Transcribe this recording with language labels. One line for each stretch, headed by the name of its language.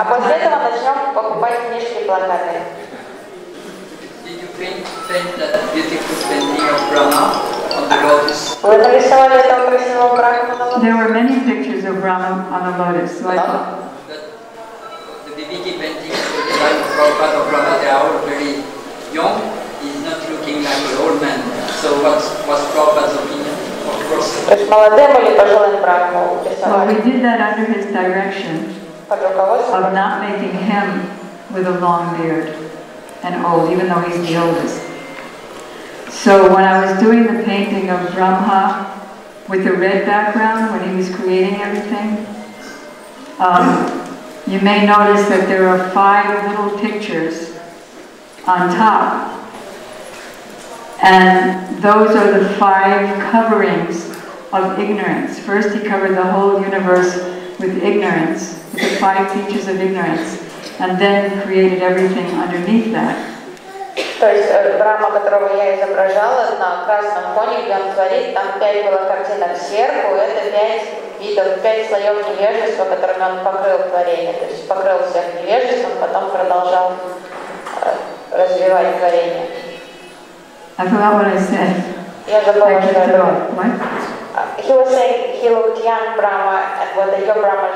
Russian: А после этого начнем покупать книжки плакаты.
English: Did you think that beautiful painting of Brahma on the lotus?
Russian: Вы нарисовали этого красивого Брахма?
English: There were many pictures of Brahma on the lotus. Like the Vivekananda painting of the life of Prabhupada of Brahma, they are all very young. He's not looking like an old man. So what's Prabhupada's opinion?
Russian: То есть молодым или пожилым Брахмой писали.
English: Well, we did that under his direction of not making him with a long beard and old, even though he's the oldest. So when I was doing the painting of Brahma with the red background when he was creating everything, you may notice that there are five little pictures on top. And those are the five coverings of ignorance. First he covered the whole universe with ignorance, with the five teachers of ignorance, and then created everything underneath that.
Russian: То есть Брахма, которого я изображала на красном фоне, где он творит, там пять было картинок сверху, это пять видов, пять слоев невежества, которыми он покрыл творение. То есть покрыл всех невежеством, потом продолжал развивать творение.
English: I forgot what I said. He was saying he looked young Brahma and what the young Brahma was.